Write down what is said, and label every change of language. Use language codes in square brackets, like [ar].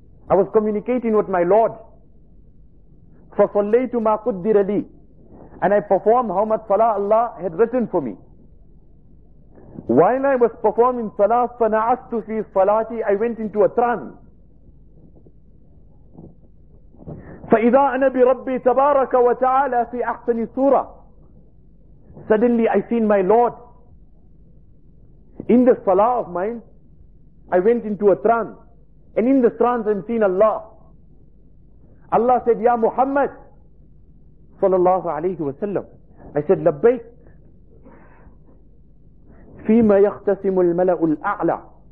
[en] I was communicating with my Lord. [ar] فَصَلَّيْتُ مَا قُدِّرَ لِي [en] And I performed how much salah Allah had written for me. While I was performing salah, [ar] فَنَعَسْتُ فِي صَلَاتِ [en] I went into a trance. [ar] فَإِذَا أَنَا بِرَبِّي تَبَارَكَ وَتَعَالَى فِي أَحْسَنِ سُورَةِ [en] Suddenly I seen my Lord. In the salah of mine, I went into a trance. And in the trance I seen Allah. Allah said, Ya Muhammad, sallallahu alayhi wa sallam. I said, [ar] Labbaik, Fima yakhtasimu al-mala'u al-a'la.